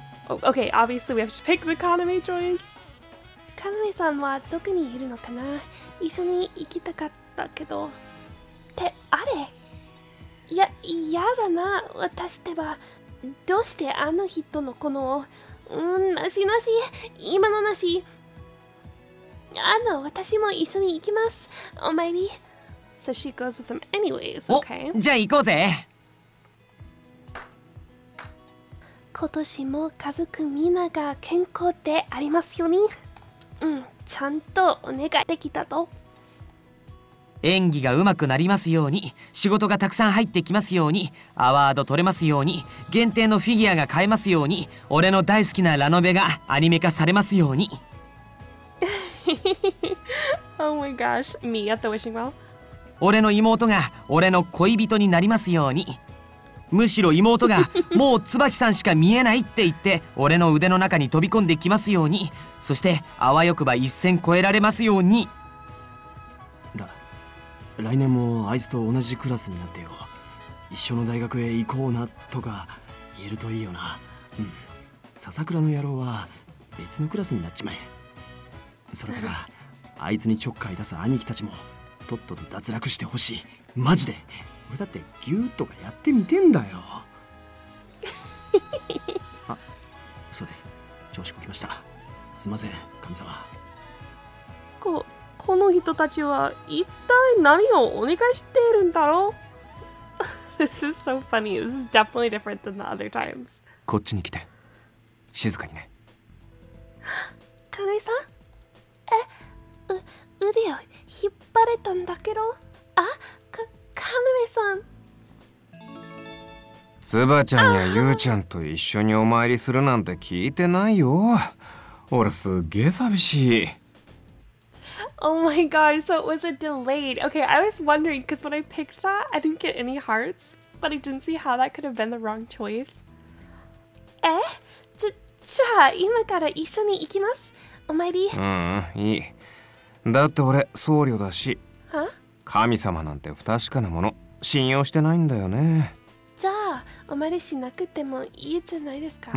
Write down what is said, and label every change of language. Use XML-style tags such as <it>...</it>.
<en>Oh, okay, obviously we have to pick the カヌミ choice.</en> <ja>カヌミさんはどこにいるのかな？一緒に行きたかったけど。ってあれ？やだな、私ってば。どうしてあの人のこの、なしなし、今のなし。あの、私も一緒に行きます、お参り。</ja> <en>So she goes with them anyways, okay?</en> <ja>お、じゃあ行こうぜ。今年も家族みんなが健康でありますように。うん、ちゃんとお願いできたと。演技がうまくなりますように、仕事がたくさん入ってきますように、アワード取れますように、限定のフィギュアが買えますように、俺の大好きなラノベがアニメ化されますように。</ja> <en>Oh my gosh, me at the wishing well.</en> <ja>俺の妹が俺の恋人になりますように。むしろ妹がもう椿さんしか見えないって言って俺の腕の中に飛び込んできますように。そしてあわよくば一線越えられますように。来年もあいつと同じクラスになってよ、一緒の大学へ行こうなとか言えるといいよな。うん、笹倉の野郎は別のクラスになっちまえ。それからあいつにちょっかい出す兄貴たちもとっとと脱落してほしい。マジで俺だってギューとかやってみてんだよ。あ、嘘です、調子こきました、すいません神様。この人たちは一体何をお願いしているんだろう。</ja> <en>This is so funny. This is definitely different than the other times.</en> <ja>こっちに来て。静かにね。カヌミさん？え、腕を引っ張れたんだけど。あ、カヌミさん。ツバちゃんやユウちゃんと一緒にお参りするなんて聞いてないよ。俺すっげえ寂しい。</ja> <en>Oh my gosh, so it was a delayed. Okay, I was wondering, because when I picked that, I didn't get any hearts, but I didn't see how that could have been the wrong choice. Eh?</en> <ja>じゃあ今から一緒に行きます? お参り。うん、いい。だって俺、僧侶だし。は？神様なんて不確かなもの、信用してないんだよね。じゃあ、お参りしなくてもいいじゃないですか。</ja>